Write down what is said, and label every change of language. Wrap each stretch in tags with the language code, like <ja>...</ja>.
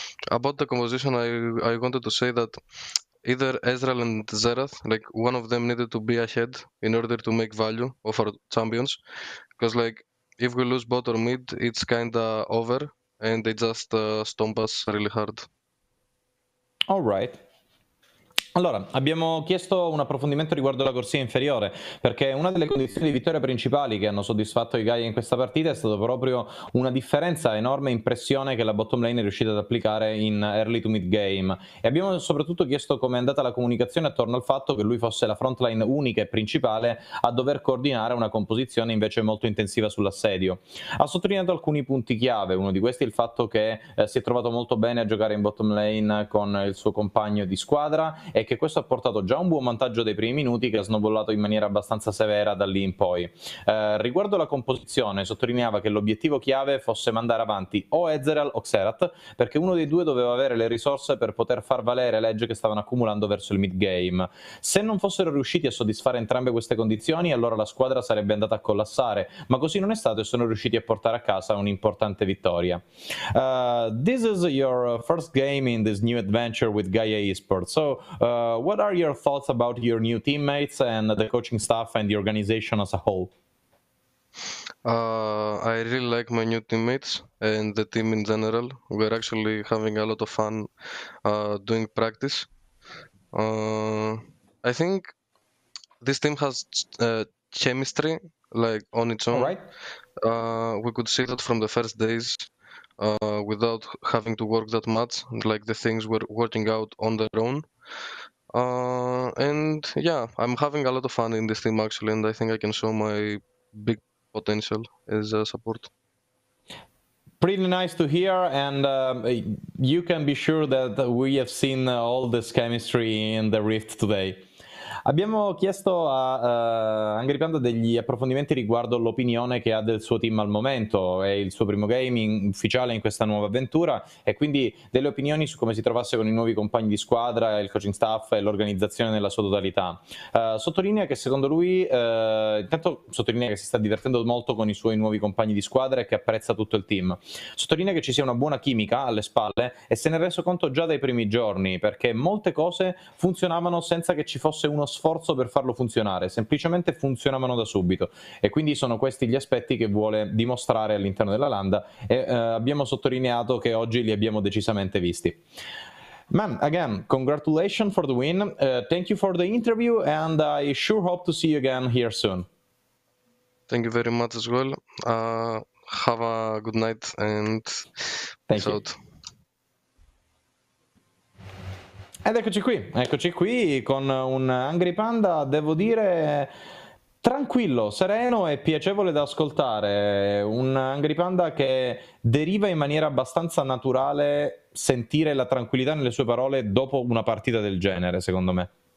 <en>About the composition, I wanted to say that either Ezreal and Xerath, like, one of them needed to be ahead in order to make value of our champions, because, like, if we lose bot or mid, it's kind of over and they just stomp us really hard. All right.</en> <it>Allora, abbiamo chiesto un approfondimento riguardo la corsia inferiore, perché una delle condizioni di vittoria principali che hanno soddisfatto i Gaia in questa partita è stata proprio una differenza enorme in pressione che la bottom lane è riuscita ad applicare in early to mid game. E abbiamo soprattutto chiesto come è andata la comunicazione attorno al fatto che lui fosse la frontline unica e principale a dover coordinare una composizione invece molto intensiva sull'assedio. Ha sottolineato alcuni punti chiave, uno di questi è il fatto che si è trovato molto bene a giocare in bottom lane con il suo compagno di squadra, e che questo ha portato già un buon vantaggio dei primi minuti che ha snowballato in maniera abbastanza severa da lì in poi. Riguardo la composizione, sottolineava che l'obiettivo chiave fosse mandare avanti o Ezreal o Xerath, perché uno dei due doveva avere le risorse per poter far valere l'edge che stavano accumulando verso il mid game. Se non fossero riusciti a soddisfare entrambe queste condizioni, allora la squadra sarebbe andata a collassare, ma così non è stato e sono riusciti a portare a casa un'importante vittoria.</it> <en>This is your first game in this new adventure with Gaia Esports, so what are your thoughts about your new teammates and the coaching staff and the organization as a whole? I really like my new teammates and the team in general. We're actually having a lot of fun doing practice. I think this team has chemistry like on its own. All right. We could see that from the first days without having to work that much, like the things were working out on their own. And yeah, I'm having a lot of fun in this team actually, and I think I can show my big potential as a support. Pretty nice to hear, and you can be sure that we have seen all this chemistry in the Rift today.</en> <it>Abbiamo chiesto a Angry Panda degli approfondimenti riguardo l'opinione che ha del suo team al momento, è il suo primo game ufficiale in questa nuova avventura, e quindi delle opinioni su come si trovasse con i nuovi compagni di squadra, il coaching staff e l'organizzazione nella sua totalità. Sottolinea che secondo lui, intanto sottolinea che si sta divertendo molto con i suoi nuovi compagni di squadra e che apprezza tutto il team. Sottolinea che ci sia una buona chimica alle spalle e se ne è reso conto già dai primi giorni, perché molte cose funzionavano senza che ci fosse uno sforzo per farlo funzionare, semplicemente funzionavano da subito, e quindi sono questi gli aspetti che vuole dimostrare all'interno della Landa, e abbiamo sottolineato che oggi li abbiamo decisamente visti.</it> <en>Man, again, congratulations for the win, thank you for the interview, and I sure hope to see you again here soon. Thank you very much as well, have a good night and thank you.</en> <it>Ed eccoci qui con un Angry Panda, devo dire, tranquillo, sereno e piacevole da ascoltare. Un Angry Panda che deriva in maniera abbastanza naturale sentire la tranquillità nelle sue parole dopo una partita del genere, secondo me.</it>